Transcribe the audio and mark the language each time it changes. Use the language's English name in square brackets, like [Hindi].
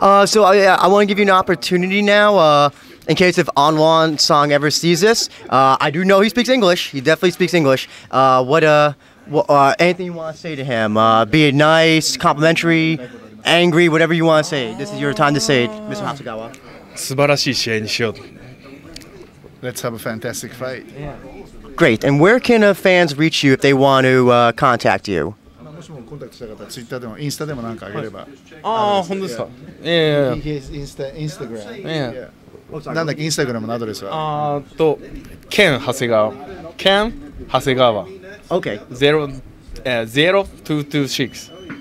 [English] So I want to give you an opportunity now. In case if Anwan Song ever sees this, I do know he speaks English. He definitely speaks English. Anything you want to say to him? Be it nice, complimentary, angry, whatever you want to say. This is your time to say it, Mr. Hasegawa. [Japanese] 素晴らしい試合にしよう。 [English] Let's have a fantastic fight. Yeah. Great. And where can fans reach you if they want to contact you? [Japanese] もしもコンタクトした方、ツイッターでもインスタでも何かあげれば。はい、ああ、本当ですか。ええ。インスタグラム。ええ。なんだっけ、インスタグラムのアドレスは。ああと、ケン・ハセガワ。ケン・ハセガワ。 OK。 0226。